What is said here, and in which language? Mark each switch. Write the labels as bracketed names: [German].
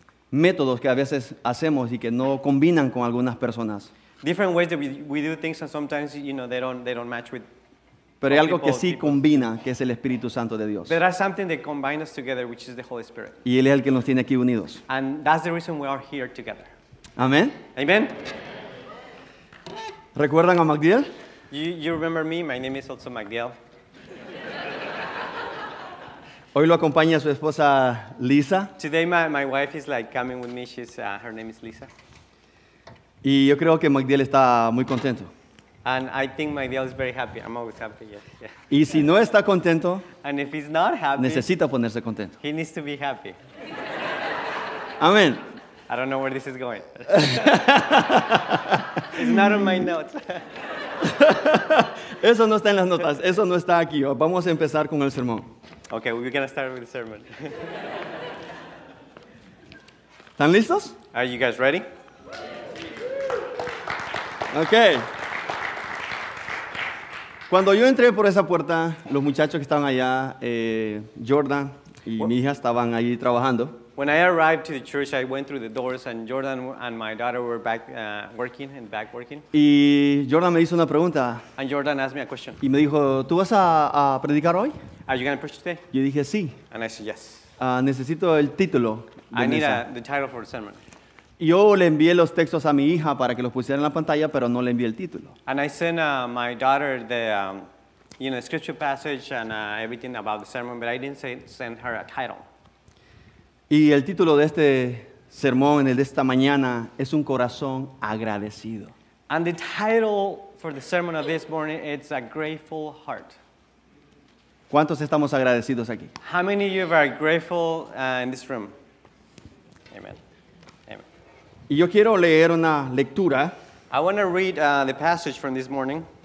[Spanish] Métodos que a veces hacemos y que no combinan con algunas personas. [English] Different ways that we do things and sometimes, you know, they don't match with. [Spanish] Pero hay algo que sí combina, que es el Espíritu Santo de Dios. [English] But there's something that combines us together, which is the Holy Spirit. [Spanish] Y Él es el que nos tiene aquí unidos. [English] And that's the reason we are here together. [Spanish] Amén. [English] Amen. [Spanish] ¿Recuerdan a Magdiel? [English] You remember me? My name is also Magdiel. [Spanish] Hoy lo acompaña su esposa Lisa. [English] Today my wife is like coming with me. She's her name is Lisa. [Spanish] Y yo creo que Magdiel está muy contento. [English] And I think Magdiel is very happy. I'm always happy. Yeah. [Spanish] Y si no está contento, [English] and if he's not happy, [Spanish] necesita ponerse contento. [English] He needs to be happy. Amen. I don't know where this is going. It's not on my notes. [Spanish] Eso no está en las notas. Eso no está aquí. Vamos a empezar con el sermón. [English] Okay, we're going to start with the sermon. [Spanish] ¿Están listos? [English] Are you guys ready? Okay. [Spanish] Cuando yo entré por esa puerta, los muchachos que estaban allá, Jordan y mi hija estaban ahí trabajando. [English] When I arrived to the church, I went through the doors, and Jordan and my daughter were back working and back working. [Spanish] Y Jordan me hizo una pregunta. [English] And Jordan asked me a question. [Spanish] Y me dijo, ¿tú vas a predicar hoy? [English] Are you going to preach today? [Spanish] Yo dije sí. [English] And I said yes. [Spanish] Necesito el título. [English] I need the title for the sermon. [Spanish] Yo le envié los textos a mi hija para que los pusiera en la pantalla, pero no le envié el título. [English] And I sent my daughter the the scripture passage and everything about the sermon, but I didn't send her a title. [Spanish] Y el título de este sermón, el de esta mañana, es un corazón agradecido. [English] And the title for the sermon of this morning, it's a grateful heart. [Spanish] ¿Cuántos estamos agradecidos aquí? [English] How many of you are grateful in this room? Amen. Amen. [Spanish] Y yo quiero leer una lectura. [English] I want to read the passage from this morning.